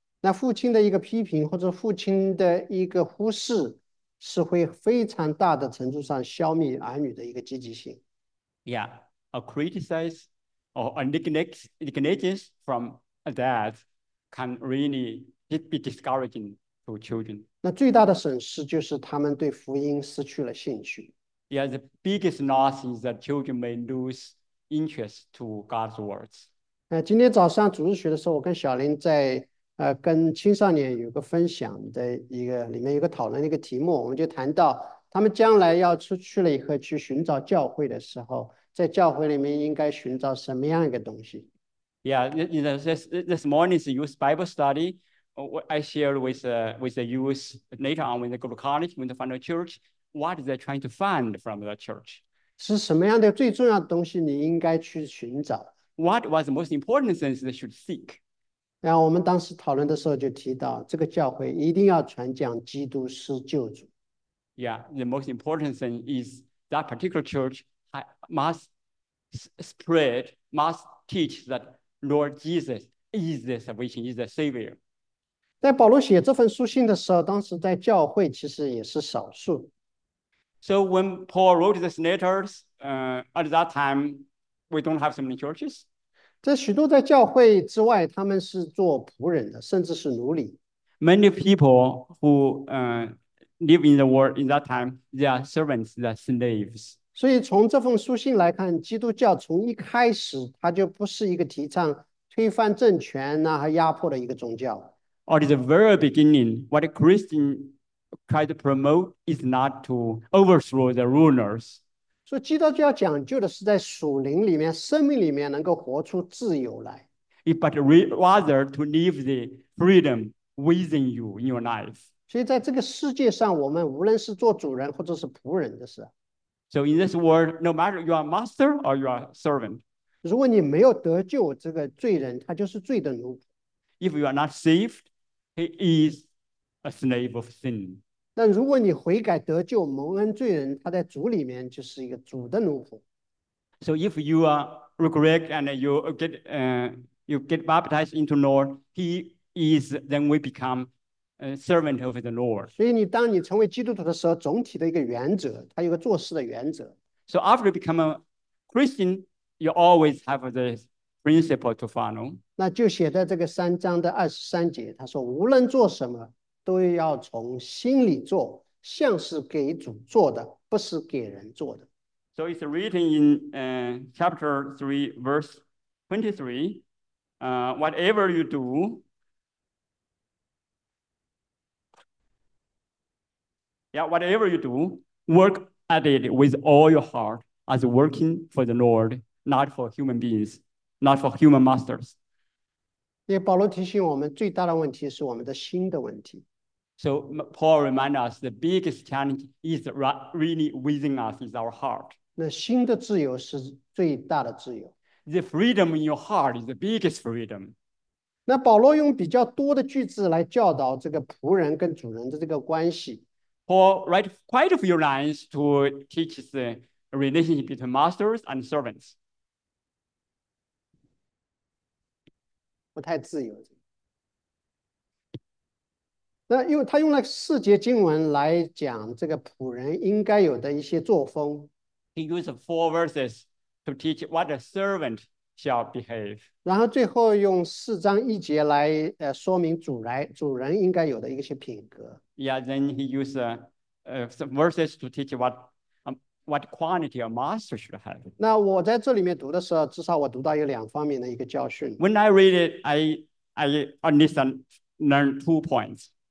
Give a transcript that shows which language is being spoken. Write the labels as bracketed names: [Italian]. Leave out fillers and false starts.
[Chinese] 那父亲的一个批评或者父亲的一个忽视，是会非常大的程度上消灭儿女的一个积极性。 [English] Yeah, a criticize or a negligence from a dad can really be discouraging. For children. [Chinese] 那最大的损失就是他们对福音失去了兴趣。 [English] Yeah, the biggest loss is that children may lose interest to God's words. [Chinese] 今天早上主日学的时候，我跟小林在跟青少年有个分享的一个里面有个讨论的一个题目，我们就谈到他们将来要出去了以后去寻找教会的时候，在教会里面应该寻找什么样一个东西。 [English] Yeah, this morning's youth Bible study. I shared with the youth later on when they go to college, when they find a church, what they're trying to find from the church. [Chinese] 是什么样的最重要的东西你应该去寻找？ [English] What was the most important things they should seek? [Chinese] 那我们当时讨论的时候就提到，这个教会一定要传讲基督是救主。 [English] Yeah, the most important thing is that particular church must spread, must teach that Lord Jesus is the salvation, is the savior. [Chinese] 在保罗写这份书信的时候，当时在教会其实也是少数。 [English] So when Paul wrote these letters, at that time we don't have so many churches. [Chinese] 这许多在教会之外，他们是做仆人的，甚至是奴隶。 [English] Many people who live in the world in that time, they are servants, they are slaves. [Chinese] 所以从这份书信来看，基督教从一开始它就不是一个提倡推翻政权呐和压迫的一个宗教。 [English] At the very beginning, what a Christian tried to promote is not to overthrow the rulers. [Chinese] So, 基督教讲究的是在属灵里面、生命里面能够活出自由来。 [English] But rather to live the freedom within you in your life. [Chinese] 所以在这个世界上，我们无论是做主人或者是仆人的事。 [English] So in this world, no matter you are master or you are servant. [Chinese] 如果你没有得救，这个罪人他就是罪的奴仆。 [English] If you are not saved, he is a slave of sin. [Chinese] 但如果你悔改得救，蒙恩罪人，他在主里面就是一个主的奴仆。 [English] So if you are regret and you get baptized into the Lord, he is then we become a servant of the Lord. [Chinese] 所以你当你成为基督徒的时候，总体的一个原则，它有个做事的原则。 [English] So after you become a Christian, you always have the principle to follow. [Chinese] 那就写在这个三章的二十三节，他说：“无论做什么，都要从心里做，像是给主做的，不是给人做的。” [English] So it's written in chapter 3, verse 23. Whatever you do, whatever you do, work at it with all your heart as working for the Lord, not for human beings, not for human masters. [Chinese] 也保罗提醒我们，最大的问题是我们的心的问题。 [English] So Paul reminds us the biggest challenge is really within us, is our heart. [Chinese] 那心的自由是最大的自由。 [English] The freedom in your heart is the biggest freedom. [Chinese] 那保罗用比较多的句子来教导这个仆人跟主人的这个关系。 [English] Paul writes quite a few lines to teach the relationship between masters and servants. [Chinese] 不太自由。那用他用了四节经文来讲这个仆人应该有的一些作风。 [English] He used four verses to teach what a servant shall behave. [Chinese] 然后最后用四章一节来说明主人应该有的一些品格。 [English] Yeah, then he used some verses to teach what quality a master should have. [Chinese] 那我在这里面读的时候，至少我读到有两方面的一个教训。 [English] When I read it, I understand learn two points.